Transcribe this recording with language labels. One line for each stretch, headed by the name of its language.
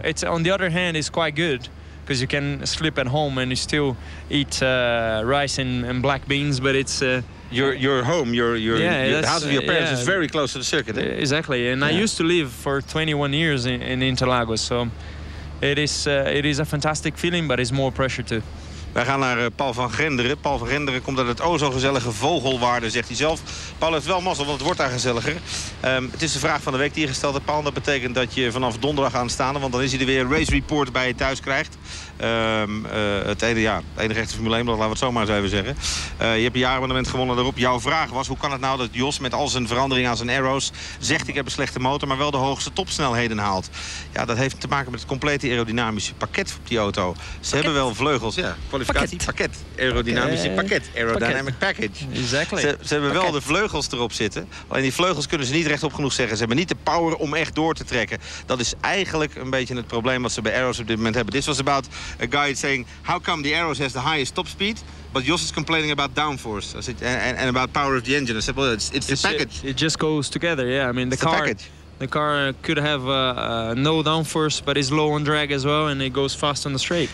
English: It's, on the other hand, it's quite good because you can sleep at home and you still eat rice and black beans, but it's... Your home, your house of your parents is very close to the circuit. Eh? Exactly, and yeah. I used to live for 21 years in Interlagos, so it is a fantastic feeling, but it's more pressure too.
Dutch: Wij gaan naar Paul van Genderen. Paul van Genderen komt uit het o zo gezellige Vogelwaarden, zegt hij zelf. Paul heeft wel mazzel, want het wordt daar gezelliger. Het is de vraag van de week die je gesteld hebt, Paul. Dat betekent dat je vanaf donderdag aanstaande, want dan is hij er weer, een race report bij je thuis krijgt. Het enige echte Formule 1, laten we het zomaar eens even zeggen. Je hebt een jaarabonnement gewonnen daarop. Jouw vraag was, hoe kan het nou dat Jos met al zijn veranderingen aan zijn aero's zegt ik heb een slechte motor, maar wel de hoogste topsnelheden haalt. Ja, dat heeft te maken met het complete aerodynamische pakket op die auto. Hebben wel vleugels, ja. Kwalificatiepakket. Aerodynamische pakket.
English: Aerodynamic package. Exactly.
Dutch: Ze hebben wel de vleugels erop zitten. Alleen die vleugels kunnen ze niet rechtop genoeg zeggen. Ze hebben niet de power om echt door te trekken. Dat is eigenlijk een beetje het probleem wat ze bij aero's op dit moment hebben.
English: This was about a guy saying, how come the aero's has the highest top speed, but Jos is complaining about downforce. I said, and about power of the engine. I said, well, it's the package. It just goes together, yeah. I mean, the car could have no downforce, but it's low on drag as well, and it goes fast on the straight.